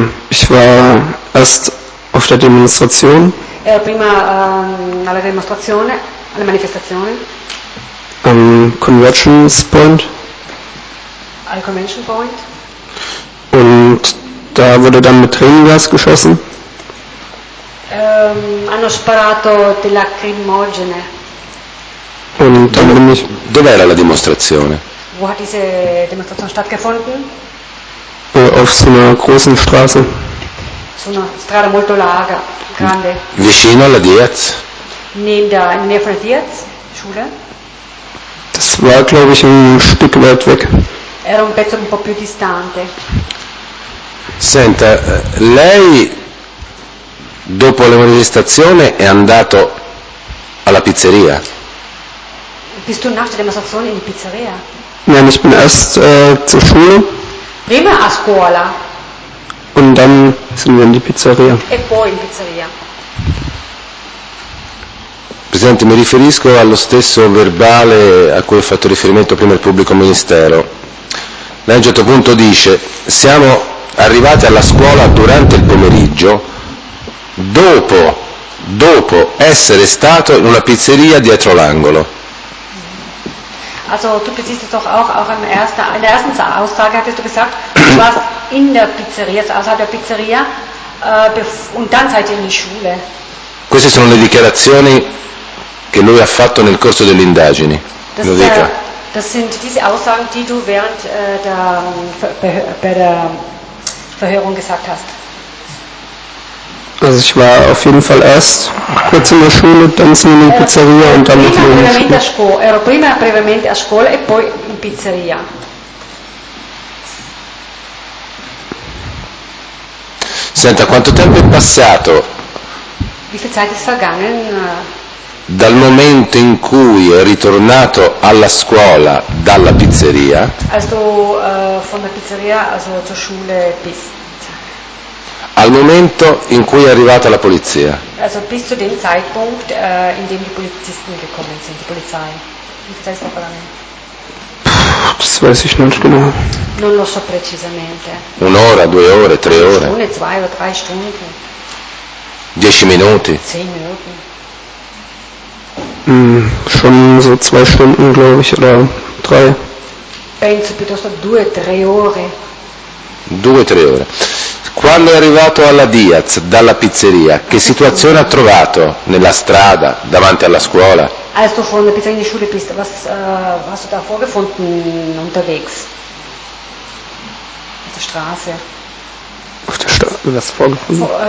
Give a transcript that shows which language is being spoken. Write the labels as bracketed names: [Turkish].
[German] Ich war erst auf der Demonstration. [Italian] Ero prima alla dimostrazione, alla manifestazione. [German] Am Convergence Point. [Italian] Al Convention Point. [German] Und da wurde dann mit Tränengas geschossen. [Italian] Hanno sparato di lacrimogene. [German] Und dann bin ich. [Italian] Dove era la dimostrazione? [German] Wo hat diese Demonstration stattgefunden? Auf so einer großen Straße. [Italian] So una strada molto larga, grande. Vicino alla Diaz. [German] Neben der, in der Diaz Schule. Das war, glaube ich, ein Stück weit weg. [Italian] Era un pezzo un po' più distante. Senta, lei dopo la manifestazione è andato alla pizzeria? [German] Bist du nach der Demonstration in die Pizzeria? Nein, ich bin erst zur Schule. [Italian] Prima a scuola. [German] Und dann sind wir in die Pizzeria. [Italian] E poi in pizzeria. Presidente, mi riferisco allo stesso verbale a cui ho fatto riferimento prima il pubblico ministero. Lei a un certo punto dice, siamo arrivati alla scuola durante il pomeriggio, dopo essere stato in una pizzeria dietro l'angolo. [German] Also tu beziehst es doch auch in der ersten Aussage hattest du gesagt, du warst in der Pizzeria, also außerhalb der Pizzeria, und dann seid ihr in die Schule. [Italian] Queste sono le dichiarazioni che lui ha fatto nel corso delle indagini. Lo dica. [German] Das sind diese Aussagen, die du während der Verhörung gesagt hast. Also ich war auf jeden Fall erst kurz in der Schule, dann sind wir in die Pizzeria und dann mit mir in die Schule. [Italian] Ero prima brevemente a scuola e poi in pizzeria. Senta, quanto tempo è passato? [German] Wie viel Zeit ist vergangen? [Italian] Dal momento in cui è ritornato alla scuola dalla pizzeria. [German] Also von der Pizzeria, also zur Schule bis. [Italian] Al momento in cui è arrivata la polizia. [German] Also bis zu dem Zeitpunkt in dem die Polizisten gekommen sind, die Polizei. Das weiß ich nicht genau. [Italian] Non lo so precisamente. Un'ora, due ore, tre ore. [German] Una, zwei oder drei Stunden. [Italian] Dieci minuti. [German] Zehn Minuten. Schon so zwei Stunden, glaube ich, oder drei. [Italian] Penso piuttosto due, tre ore. 2-3 ore. Quando è arrivato alla Diaz dalla pizzeria, che situazione ha trovato? Nella strada, davanti alla scuola? [German] Also von der Pizzeria in die Schule bist, was hast du da vorgefunden unterwegs? Auf der Straße. Auf der Straße, was vorgefunden?